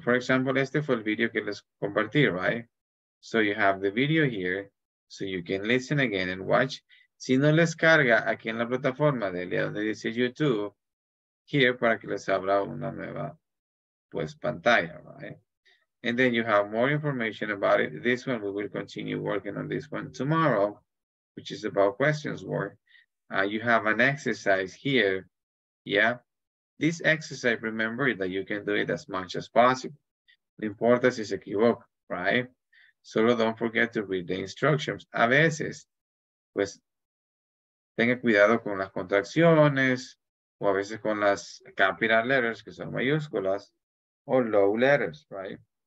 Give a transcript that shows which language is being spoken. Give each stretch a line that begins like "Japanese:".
English: For example,
Spanish: este fue el video que les compartí, right?
English: So you have the video here, so you can listen again and watch.
Spanish: Si no les carga aquí en la plataforma de Lea donde dice YouTube, here para que les abra una nueva, pues, pantalla, right?
English: And then you have more information about it. This one, we will continue working on this one tomorrow, which is about questions work. You have an exercise here, yeah? This exercise, remember that you can do it as much as possible.
Spanish: No importa si se equivoca,
English: right?
Spanish: Solo
English: don't forget to read the instructions.
Spanish: A veces, pues, tenga cuidado con las contracciones o a veces con las capital letters, que son mayúsculas, o low letters, right?